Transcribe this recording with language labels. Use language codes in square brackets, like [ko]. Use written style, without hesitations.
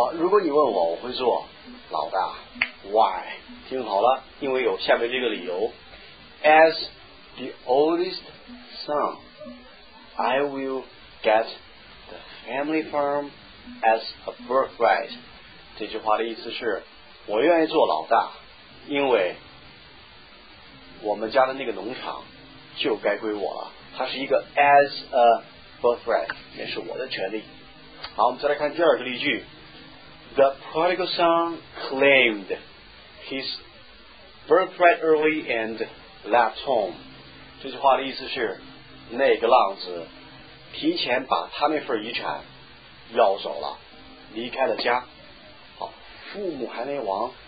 [zh] 如果你问我，我会做老大。 [en] Why? [zh] 听好了，因为有下面这个理由。 [en] As the oldest son, I will get the family farm as a birthright. [zh] 这句话的意思是，我愿意做老大，因为我们家的那个农场就该归我了。它是一个 [en] as a birthright， [zh] 也是我的权利。好，我们再来看第二个例句。 [en] The prodigal son claimed his birthright early and left home. [zh] 这句话的意思是，那个浪子提前把他那份遗产要走了，离开了家。好，父母还没亡，